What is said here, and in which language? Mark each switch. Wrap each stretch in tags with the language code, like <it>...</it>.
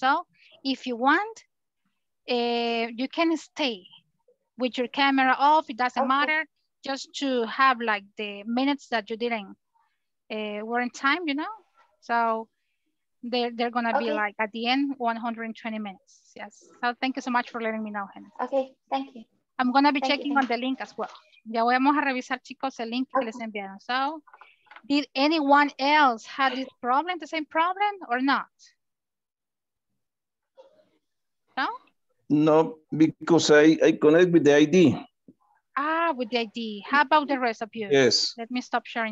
<en>So if you want, you can stay with your camera off, it doesn't matter, just to have like the minutes that you didn't were in time, you know? So they're gonna be like at the end, 120 minutes, yes. So thank you so much for letting me know, Hannah. Okay, thank you. I'm gonna be checking on the link as well.</en> <es>Ya vamos a revisar, chicos, el link que les enviaron.</es> <en>So, did anyone else have this problem, the same problem, or not? No? No, because I connect with the ID. Ah, with the ID. How about the rest of you? Yes. Let me stop sharing.</en>